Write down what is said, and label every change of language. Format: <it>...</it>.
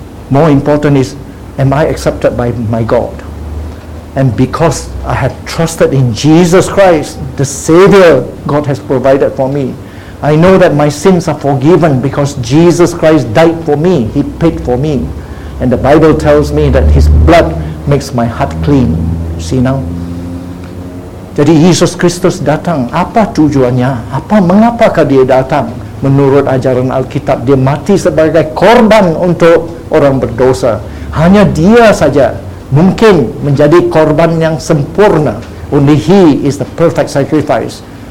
<en>More important is, am I accepted by my God? And because I have trusted in Jesus Christ, the Savior God has provided for me, I know that my sins are forgiven because Jesus Christ died for me. He paid for me. And the Bible tells me that his blood makes my heart clean. See now?</en> <ms>Jadi Yesus Kristus datang. Apa tujuannya? Apa mengapakah dia datang? Menurut ajaran Alkitab, dia mati sebagai korban untuk orang berdosa. Hanya dia saja mungkin menjadi korban yang sempurna.</ms> <en>Only he is the perfect sacrifice.</en>